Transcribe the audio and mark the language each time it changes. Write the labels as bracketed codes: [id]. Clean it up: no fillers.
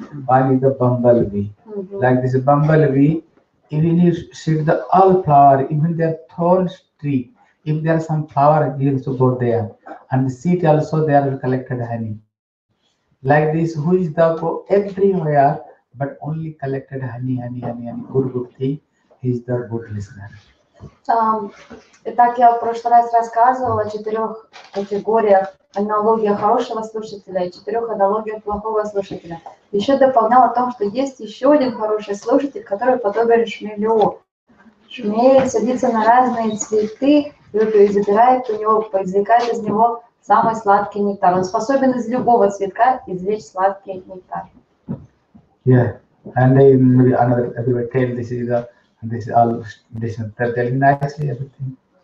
[en] One is the bumblebee, like this bumblebee, even you see the all flower, even their thorn tree, if there are some flower, he also go there, and the seed also they are collected honey, like this. Who is the go everywhere? But only collected honey, good thing, he's the good listener. [ru] Итак, я в прошлый раз рассказывала о четырех категориях, аналогиях хорошего слушателя и четырех аналогиях плохого слушателя. Еще дополнял о том, что есть еще один хороший слушатель, который подобен шмелю. Шмель садится на разные цветы, забирает у него, извлекает из него самый сладкий нектар. Он способен из любого цветка извлечь сладкий нектар. [en] Yeah, and then maybe another everybody tell this is a this is all this is telling nicely everything.